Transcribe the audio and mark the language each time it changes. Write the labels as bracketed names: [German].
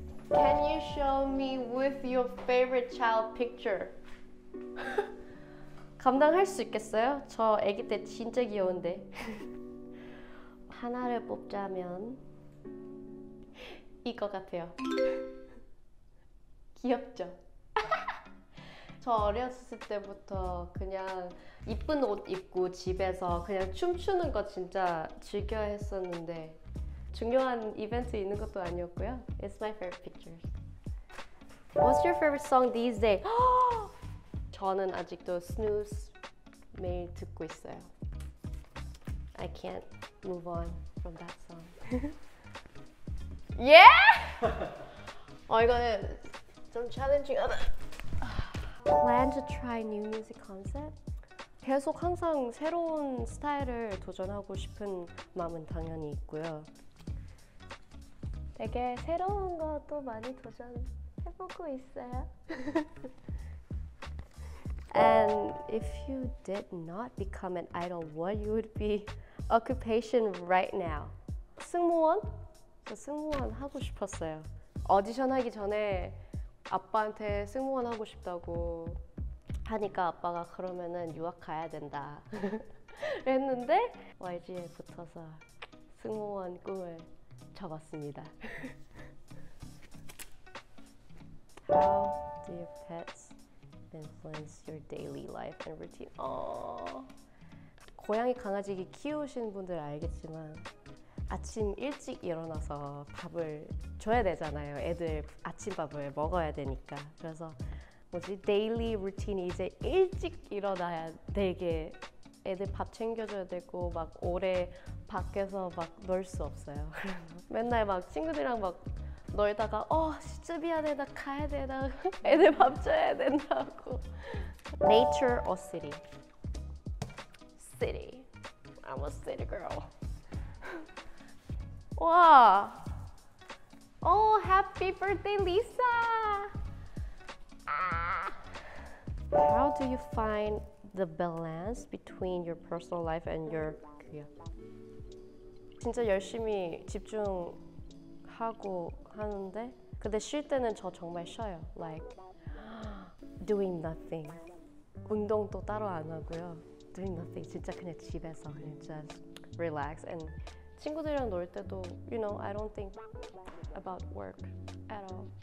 [English] Can you show me with your favorite child picture? [Korean] 감당할 수 있겠어요? 저 아기 때 진짜 귀여운데. 하나를 뽑자면 이거 같아요. 귀엽죠? 저 어렸을 때부터 그냥 이쁜 옷 입고 집에서 그냥 춤추는 거 진짜 즐겨 했었는데 중요한 이벤트 있는 것도 아니었고요. [English] It's my favorite picture. What's your favorite song these days? [Korean] 저는 아직도 Snooze 매일 듣고 있어요. [English] I can't move on from that song. Yeah? [Korean] 어, 이거는 좀 challenging하다. [English] Plan to try new music concept? [Korean] 계속 항상 새로운 스타일을 도전하고 싶은 마음은 당연히 있고요. 되게 새로운 것도 많이 도전해보고 있어요. [English] And if you did not become an idol, what you would be occupation right now? [Korean] 승무원? 저 승무원 하고 싶었어요. 오디션 하기 전에 아빠한테 승무원 하고 싶다고 하니까 아빠가 그러면은 유학 가야 된다 했는데 YG에 붙어서 승무원 꿈을 접었습니다. [English] How do your pets influence your daily life and routine? Oh. [Korean] 고양이 강아지 키우신 분들 알겠지만 아침 일찍 일어나서 밥을 줘야 되잖아요. 애들 아침밥을 먹어야 되니까. 그래서 뭐지? daily routine 이제 일찍 일어나야 되게 애들 밥 챙겨줘야 되고 막 오래 밖에서 막 놀 수 없어요. 맨날 막 친구들이랑 막 놀다가 어 진짜 미안해 나 가야 돼 나 애들 밥 줘야 된다고. [English] Nature or city? City. I'm a city girl. 와. Oh, happy birthday, Lisa! How do you find the balance between your personal life and your career? [Korean] 진짜 열심히 집중하고 하는데 근데 쉴 때는 저 정말 쉬어요. [English] Like doing nothing. [Korean] 운동도 따로 안 하고요. [English] Doing nothing. [Korean] 진짜 그냥 집에서 그냥 [English] just relax and [Korean] 친구들이랑 놀 때도 [English] you know, I don't think about work at all.